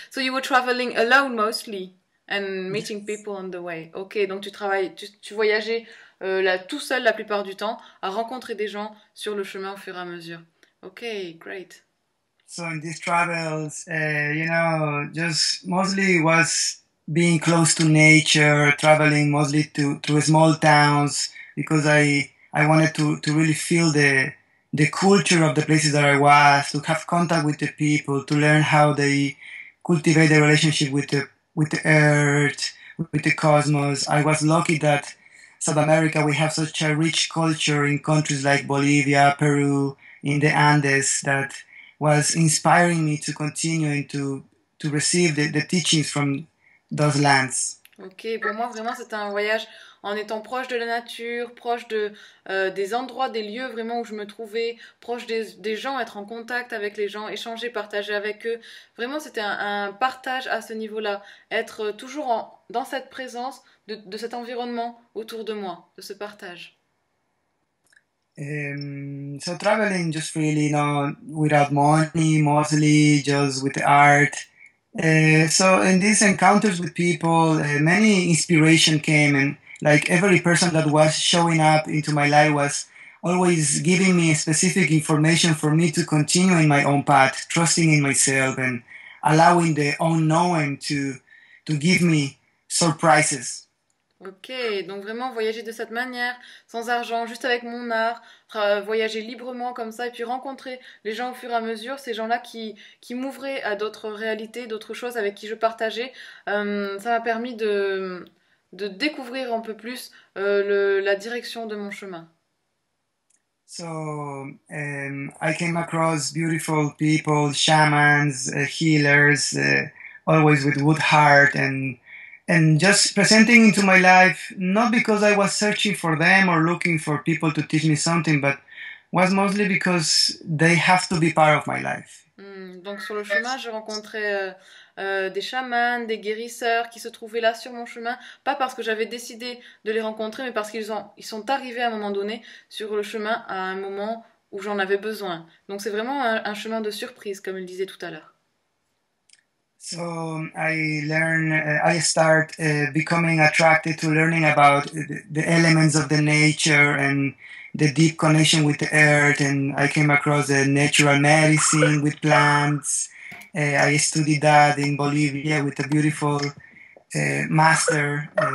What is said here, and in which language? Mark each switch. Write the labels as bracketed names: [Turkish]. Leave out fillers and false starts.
[English] So you were traveling alone mostly and meeting people on the way. [French] Donc tu voyageais tout seul la plupart du temps à rencontrer des gens sur le chemin au fur et à mesure. [English] Great. So in these travels, you know, just mostly was being close to nature, traveling mostly to small towns, because I wanted to really feel the culture of the places that I was, to have contact with the people, to learn how they cultivate the relationship with the earth, with the cosmos. I was lucky that South America, we have such a rich culture in countries like Bolivia, Peru, in the Andes, that was inspiring me to continue and to receive the teachings from those lands. [French] Ok, pour moi vraiment c'était un voyage en étant proche de la nature, proche de des endroits, des lieux vraiment où je me trouvais, proche des gens, être en contact avec les gens, échanger, partager avec eux. Vraiment c'était un partage à ce niveau-là, être toujours dans cette présence de cet environnement autour de moi, de ce partage. [English] So traveling just really, without money, mostly just with art. So in these encounters with people, many inspiration came, and like every person that was showing up into my life was always giving me specific information for me to continue in my own path, trusting in myself and allowing the unknown to give me surprises. [French] Ok, donc vraiment voyager de cette manière, sans argent, juste avec mon art, voyager librement comme ça, et puis rencontrer les gens au fur et à mesure, ces gens-là qui m'ouvraient à d'autres réalités, d'autres choses avec qui je partageais, ça m'a permis de découvrir un peu plus la direction de mon chemin. [English] So, I came across beautiful people, shamans, healers, always with wood heart, and just presenting into my life, not because I was searching for them or looking for people to teach me something, but was mostly because they have to be part of my life. [French] Donc sur le chemin, j'ai rencontré des chamans, des guérisseurs qui se trouvaient là sur mon chemin, pas parce que j'avais décidé de les rencontrer, mais parce ils sont arrivés à un moment donné sur le chemin, à un moment où j'en avais besoin. Donc c'est vraiment un chemin de surprise, comme il disait tout à l'heure. [English] So I start becoming attracted to learning about the elements of the nature and the deep connection with the earth. And I came across the natural medicine with plants. I studied that in Bolivia with a beautiful master.